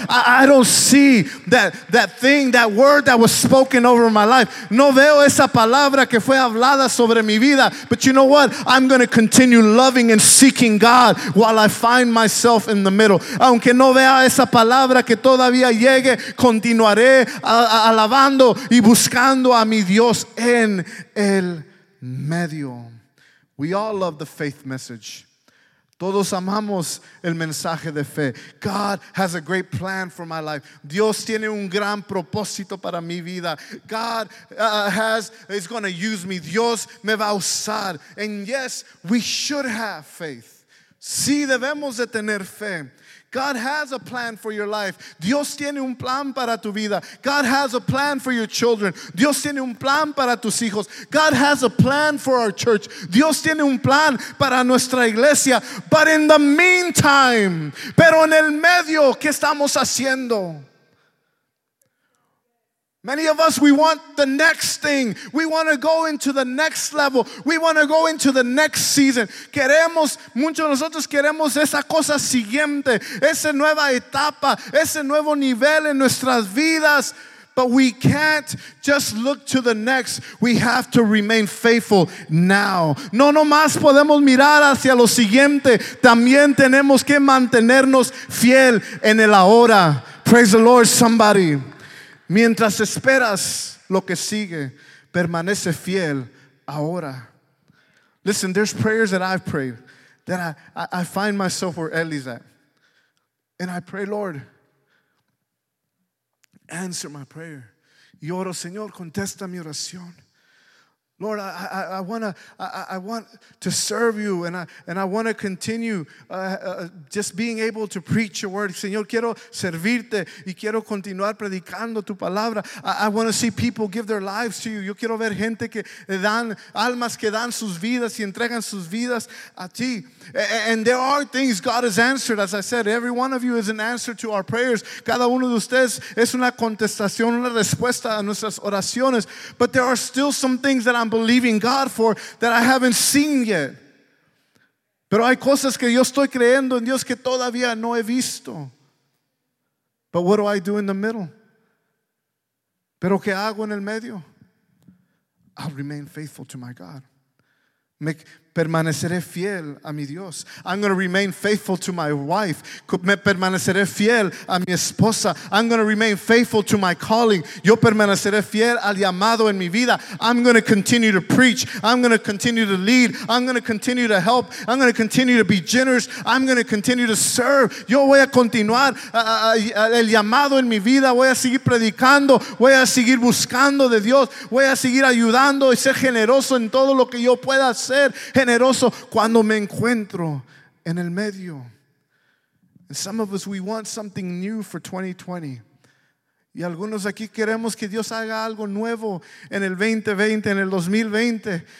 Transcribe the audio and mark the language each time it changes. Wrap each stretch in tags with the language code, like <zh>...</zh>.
<en>I don't see that thing, that word that was spoken over my life.</en> <es>No veo esa palabra que fue hablada sobre mi vida.</es> <en>But you know what? I'm going to continue loving and seeking God while I find myself in the middle.</en> <es>Aunque no vea esa palabra que todavía llegue, continuaré alabando y buscando a mi Dios en el medio.</es> <en>We all love the faith message.</en> <es>Todos amamos el mensaje de fe.</es> <en>God has a great plan for my life.</en> <es>Dios tiene un gran propósito para mi vida.</es> <en>God is going to use me.</en> <es>Dios me va a usar.</es> <en>And yes, we should have faith.</en> <es>Sí, debemos de tener fe.</es> <en>God has a plan for your life.</en> <es>Dios tiene un plan para tu vida.</es> <en>God has a plan for your children.</en> <es>Dios tiene un plan para tus hijos.</es> <en>God has a plan for our church.</en> <es>Dios tiene un plan para nuestra iglesia.</es> <en>But in the meantime,</en> <es>pero en el medio, ¿qué estamos haciendo?</es> <en>Many of us, we want the next thing. We want to go into the next level. We want to go into the next season.</en> <es>Queremos, muchos de nosotros queremos esa cosa siguiente, esa nueva etapa, ese nuevo nivel en nuestras vidas.</es> <en>But we can't just look to the next. We have to remain faithful now.</en> <es>No nomás podemos mirar hacia lo siguiente. También tenemos que mantenernos fiel en el ahora.</es> <en>Praise the Lord, somebody.</en> <es>Mientras esperas lo que sigue, permanece fiel ahora.</es> <en>Listen, there's prayers that I've prayed that I find myself where Ellie's at. And I pray, Lord, answer my prayer.</en> <es>Y oro, Señor, contesta mi oración.</es> <en>Lord, I want to serve you, and I want to continue just being able to preach your word.</en> <es>Señor, quiero servirte y quiero continuar predicando tu palabra.</es> <en>I want to see people give their lives to you.</en> <es>Yo quiero ver gente que dan almas, que dan sus vidas y entregan sus vidas a ti.</es> <en>And there are things God has answered. As I said, every one of you is an answer to our prayers.</en> <es>Cada uno de ustedes es una contestación, una respuesta a nuestras oraciones.</es> <en>But there are still some things that I'm believing God for that I haven't seen yet.</en> <es>Pero hay cosas que yo estoy creyendo en Dios que todavía no he visto.</es> <en>But what do I do in the middle?</en> <es>Pero ¿qué hago en el medio?</es> <en>I'll remain faithful to my God.</en> <es>Permaneceré fiel a mi Dios.</es> <en>I'm going to remain faithful to my wife.</en> <es>Me permaneceré fiel a mi esposa.</es> <en>I'm going to remain faithful to my calling.</en> <es>Yo permaneceré fiel al llamado en mi vida.</es> <en>I'm going to continue to preach. I'm going to continue to lead. I'm going to continue to help. I'm going to continue to be generous. I'm going to continue to serve.</en> <es>Yo voy a continuar el llamado en mi vida. Voy a seguir predicando. Voy a seguir buscando de Dios. Voy a seguir ayudando y ser generoso en todo lo que yo pueda hacer. Generoso cuando me encuentro en el medio.</es> <en>And some of us, we want something new for 2020.</en> <es>Y algunos aquí queremos que Dios haga algo nuevo en el 2020, en el 2020.</es>